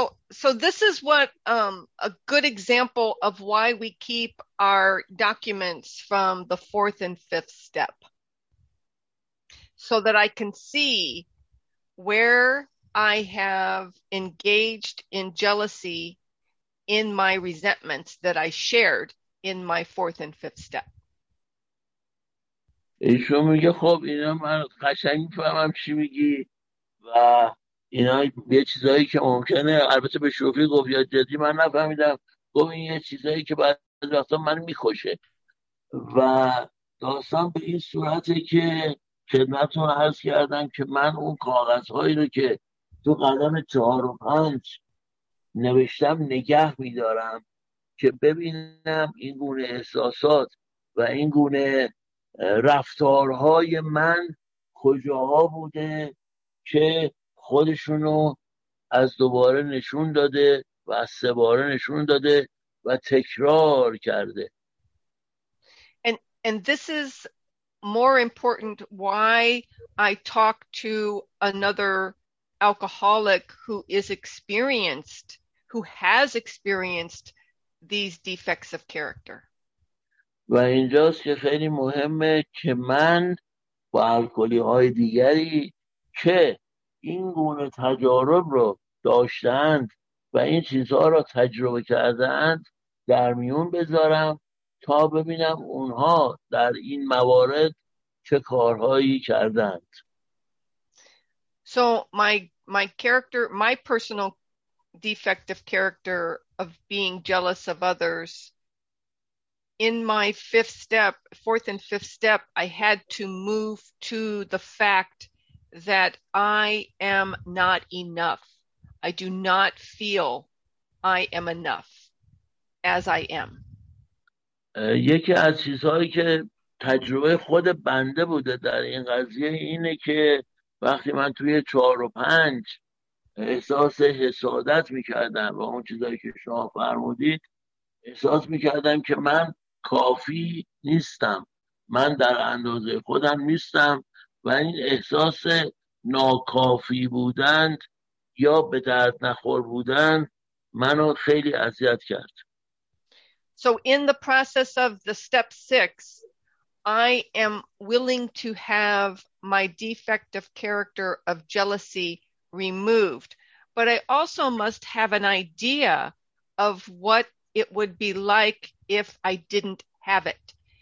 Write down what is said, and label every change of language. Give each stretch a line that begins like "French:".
English: So this is what a good example of why we keep our documents from the fourth and fifth step, so that I can see where I have engaged in jealousy in my resentments that I shared in my fourth and fifth step.
Persian: ایشون میگه خب اینا من قشنگ میفهمم چی میگی و اینا یه چیزایی که ممکنه، البته به شوخی گفت یا جدی من نفهمیدم، گفت این یه چیزایی که بعد از وقتا من میخوشه و داستان به این صورته که خدمتتون عرض کردم که من اون کاغذهایی رو که تو قدم 4 و 5 نوشتم نگه میدارم که ببینم این گونه احساسات و این گونه رفتارهای من کجاها بوده که خودشونو از دوباره نشون داده و از سه باره نشون داده و تکرار کرده.
English: And this is more important why I talk to another alcoholic who is experienced, who has experienced these defects of character.
Persian: و اینجاست که خیلی مهمه که من با الکلی های دیگری که این گونه تجارب رو داشتند و این چیزها رو تجربه کردند در میون بذارم تا ببینم اونها در این موارد چه کارهایی کردند.
English: So my character, my personal defective character of being jealous of others in my fifth step, fourth and fifth step, I had to move to the fact that I am not enough. I do not feel I am enough as I am.
Persian: یکی از چیزهایی که تجربه خود بنده بوده در این قضیه اینه که وقتی من توی 4 و 5 احساس حسادت میکردم و اون چیزهایی که شما فرمودید، احساس میکردم که من کافی نیستم، من در اندازه خودم نیستم و این احساس ناکافی بودن یا به درد نخور بودن منو خیلی اذیت کرد.
English: So in the process of the step six, I am willing to have my defective character of jealousy removed. But I also must have an idea of what it would be like if I didn't have it.